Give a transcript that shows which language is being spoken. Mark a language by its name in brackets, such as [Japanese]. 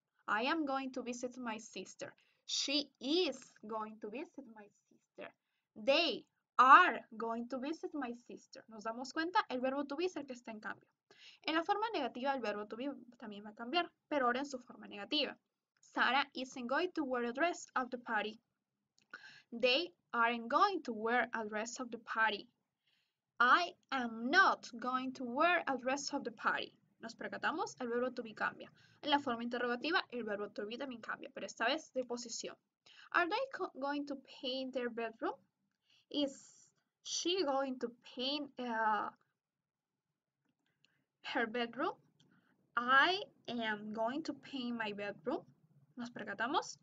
[English] I am going to visit my sister. She is going to visit my sister. They are going to visit my sister. [Spanish] ¿Nos damos cuenta? El verbo to be es el que está en cambio. En la forma negativa, el verbo to be también va a cambiar, pero ahora en su forma negativa. [English] Sarah isn't going to wear a dress at the party. They aren't going to wear a dress at the party. I am not going to wear a dress at the party. [Spanish] ¿Nos percatamos? El verbo to be cambia. En la forma interrogativa, el verbo to be también cambia, pero esta vez de posición. [English] Are they going to paint their bedroom? Is she going to paint her bedroom? I am going to paint my bedroom. [Spanish] ¿Nos percatamos?